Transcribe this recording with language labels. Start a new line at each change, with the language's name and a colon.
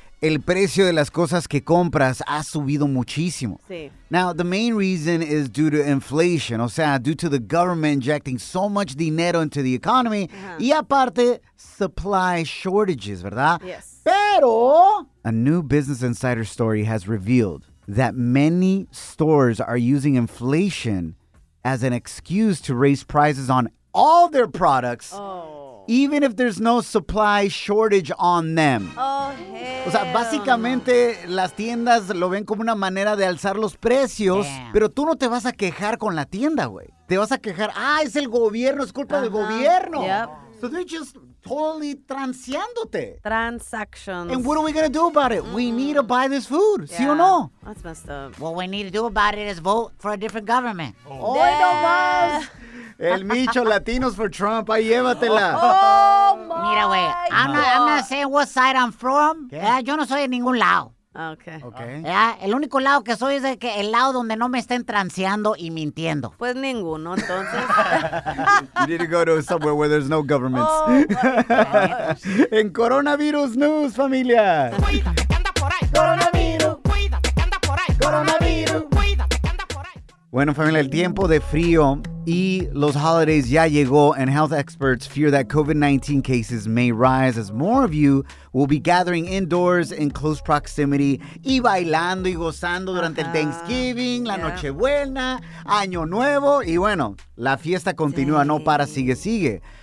Spanish: el precio de las cosas que compras ha subido muchísimo. Sí.
English: Now, the main reason is due to inflation,
Spanish: o sea,
English: due to the government injecting so much
Spanish: dinero
English: into the economy.
Spanish: Uh-huh. Y aparte,
English: supply shortages,
Spanish: ¿verdad?
English: Yes.
Spanish: Pero
English: a new Business Insider story has revealed that many stores are using inflation as an excuse to raise prices on all their products. Oh. Even if there's no supply shortage on them. Oh, hell.
Spanish: O sea, básicamente, las tiendas lo ven como una manera de alzar los precios.
English: Damn.
Spanish: Pero tú no te vas a quejar con la tienda, güey. Te vas a quejar, ah, es el gobierno, es culpa del gobierno.
English: Yep. So they're just totally
Spanish: transeándote.
English: Transactions. And what are we going to do about it? Mm. We need to buy this food. Yeah.
Spanish: ¿Sí o no?
English: That's messed up. What we need to do about it is vote for a different government.
Spanish: Oh. ¡Hoy no más! El Micho Latinos for Trump, ahí llévatela.
English: Oh, my.
Spanish: Mira, güey,
English: I'm not saying what side I'm from. Yeah,
Spanish: yo no soy de ningún lado.
English: Okay. Yeah,
Spanish: el único lado que soy es el lado donde no me estén transeando y mintiendo. Pues ninguno, entonces.
English: You need to go to somewhere where there's no governments. Oh, my gosh.
Spanish: En
English: coronavirus news,
Spanish: familia. Cuídate que anda por ahí. Coronavirus. Cuídate que anda por ahí. Coronavirus. Cuídate que anda por ahí. Bueno, familia, el tiempo de frío y los holidays ya llegó,
English: and health experts fear that COVID-19 cases may rise as more of you will be gathering indoors in close proximity
Spanish: y bailando y gozando durante el Thanksgiving, la Nochebuena, Año Nuevo, y bueno, la fiesta continúa, no para, sigue, sigue.